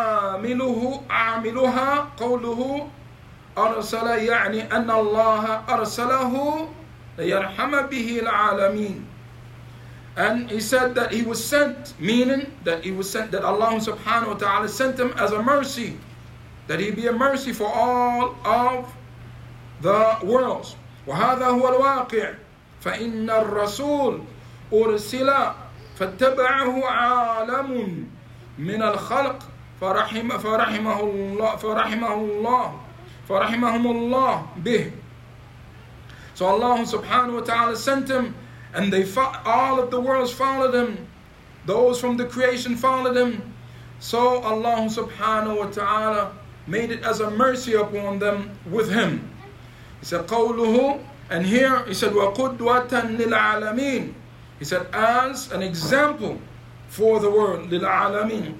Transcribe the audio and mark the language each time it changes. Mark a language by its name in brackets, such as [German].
[Arabic] عَامِلُهَا قَوْلُهُ أرسل يعني أن الله أرسله ليرحم به العالمين. [English] And he said that he was sent, meaning that he was sent, that Allah subhanahu wa ta'ala sent him as a mercy, that he be a mercy for all of the worlds. [Arabic] وهذا هو الواقع فإن الرسول أرسل فاتبعه عالم من الخلق فرحمه الله فرحمهمالله به. [English] So Allah subhanahu wa ta'ala sent him, and they all of the worlds followed him. Those from the creation followed him. So Allah subhanahu wa ta'ala made it as a mercy upon them with him. He said, قَوْلُهُ, and here he said, [Arabic] وَقُدْوَةً لِلْعَالَمِينَ. [English] He said, as an example for the world, [Arabic] لِلْعَالَمِينَ.